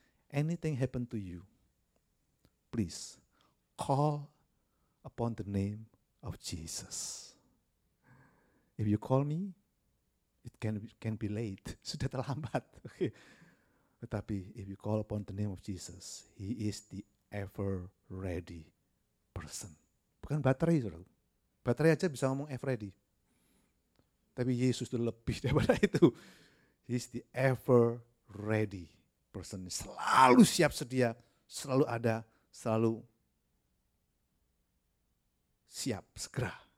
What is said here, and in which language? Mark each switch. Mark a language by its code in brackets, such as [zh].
[en] Anything happen to you, please call upon the name of Jesus. If you call me, it can be late. [id] Sudah terlambat. [en] Okay. [id] Tetapi [en] if you call upon the name of Jesus, he is the ever ready person. [id] Bukan baterai, Saudara. Baterai aja bisa ngomong [en] ever ready. [id] Tapi Yesus itu lebih daripada itu. [en] He is the ever ready person. [id] Selalu siap sedia, selalu ada, selalu siap segera.